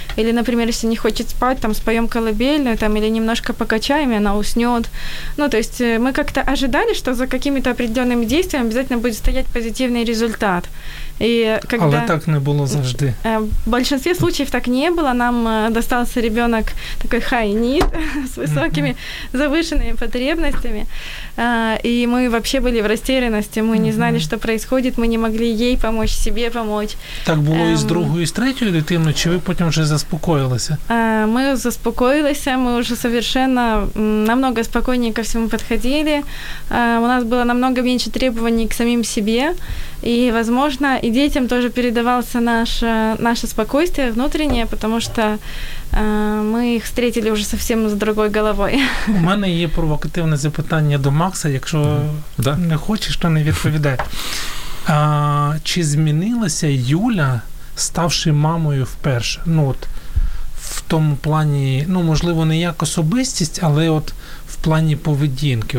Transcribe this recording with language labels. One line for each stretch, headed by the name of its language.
Russian: Или, например, если не хочет спать, там споем колыбельную, там, или немножко покачаем, и она уснет. Ну, то есть мы как-то ожидали, что за какими-то определенными действием обязательно будет стоять позитивный результат. И когда...
Ukrainian: Але так не было завжди.
Russian: В большинстве случаев так не было. Нам достался ребенок такой
English: high need
Russian: с высокими завышенными потребностями. И мы вообще были в растерянности. Мы не знали, что происходит. Мы не могли ей помочь, себе помочь. Так было и с другой, и с третьей дитиной? Чи вы потом уже заспокоились? Мы заспокоились. Мы уже совершенно намного спокойнее ко всему подходили. У нас было намного меньше требований к самим себе. И, возможно, и детям тоже передавался наше спокойствие внутреннее, потому что мы их встретили уже совсем с другой головой.
Ukrainian: У меня есть провокативное запитання до Макса, якщо не хочешь, то не відповідай. Чи змінилася Юля, ставши мамою вперше? Ну, от, в тому плані, ну, можливо, не як особистість, але от в плані поведінки.